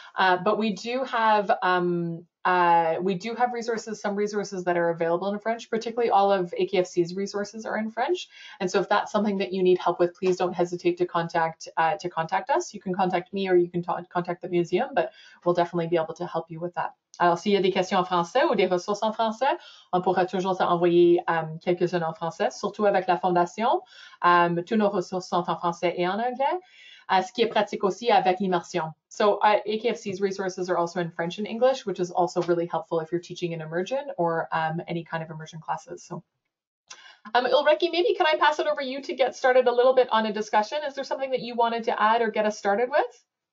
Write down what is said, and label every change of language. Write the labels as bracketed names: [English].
[English] But we do have resources, some resources that are available in French, particularly all of AKFC's resources are in French. And so if that's something that you need help with, please don't hesitate to contact us. You can contact me or you can contact the museum, but we'll definitely be able to help you with that. [French] Alors, s'il y a des questions en français ou des ressources en français, on pourra toujours envoyer quelques-unes en français, surtout avec la Fondation. Tous nos ressources sont en français et en anglais, ce qui est pratique aussi avec l'immersion. [English] So AKFC's resources are also in French and English, which is also really helpful if you're teaching in immersion or any kind of immersion classes. So, Ulrike, maybe can I pass it over to you to get started a little bit on a discussion? Is there something that you wanted to add or get us started with?